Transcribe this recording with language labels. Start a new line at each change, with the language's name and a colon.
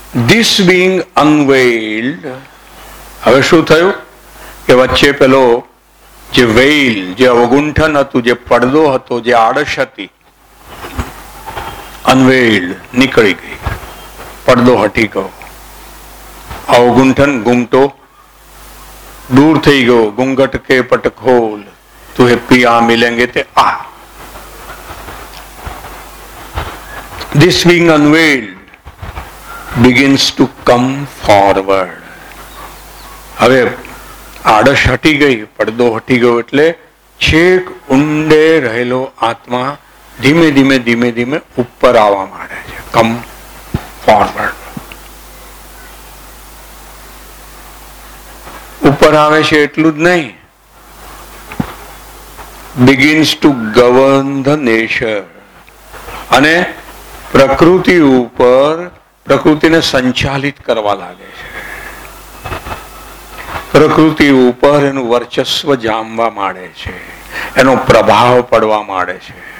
English: This being unveiled,
Gujarati: હવે શું થયું કે વચ્ચે પેલો જે વેઇલ, જે અવગુંઠન હતું, જે પડદો હતો, જે આડશ હતી, અનવેઇલ્ડ નીકળી ગઈ, પડદો હટી ગયો, અવગુંઠન ગુમટો દૂર થઈ ગયો,
Hindi: ગુંગટ કે પટખોલ તું હે પિયા મિલેંગે તે આ.
English: This being unveiled begins to come forward.
Gujarati: હવે આડશ હટી ગઈ, પડદો હટી ગયો, એટલે છેક ઊંડે રહેલો આત્મા ધીમે ધીમે ધીમે ધીમે ઉપર આવવા માંડે છે.
English: come forward,
Gujarati: ઉપર આવે છે, એટલું જ નહીં,
English: begins to govern the nature,
Gujarati: અને પ્રકૃતિ ઉપર પ્રકૃતિને સંચાલિત કરવા લાગે છે, પ્રકૃતિ ઉપર એનું વર્ચસ્વ જામવા માંડે છે, એનો પ્રભાવ પડવા માંડે છે.